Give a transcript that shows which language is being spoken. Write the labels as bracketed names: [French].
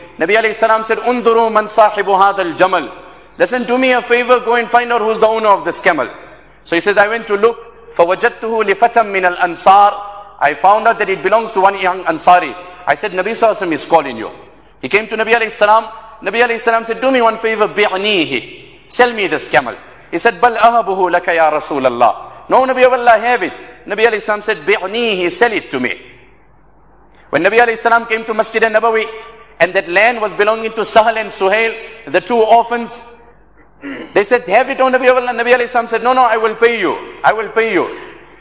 [English] Nabi alayhi salam said, [Arabic] Unduru man sahibu hadha al-jamal. [English] Listen, do me a favor, go and find out who's the owner of this camel. So he says, I went to look. [Arabic] فَوَجَدْتُهُ لِفَتَمْ مِنَ الْأَنصَارِ. [English] I found out that it belongs to one young Ansari. I said, Nabi Sallallahu Alaihi Wasallam is calling you. He came to Nabi Alayhi Salaam. Nabi Alayhi Salaam said, do me one favor, [Arabic] بِعْنِيهِ. [English] Sell me this camel. He said, [Arabic] بَلْ أَهَبُهُ لَكَ يَا رَسُولَ اللَّهِ. [English] No, Nabi of Allah, have it. Nabi Alayhi Salaam said, [Arabic] بِعْنِيهِ, [English] sell it to me. When Nabi Alayhi Salaam came to Masjid al-Nabawi, and that land was belonging to Sahal and Suhail, the two orphans, they said, have it, O Nabi of Allah. Nabi alayhi salam said, no, no, I will pay you. I will pay you.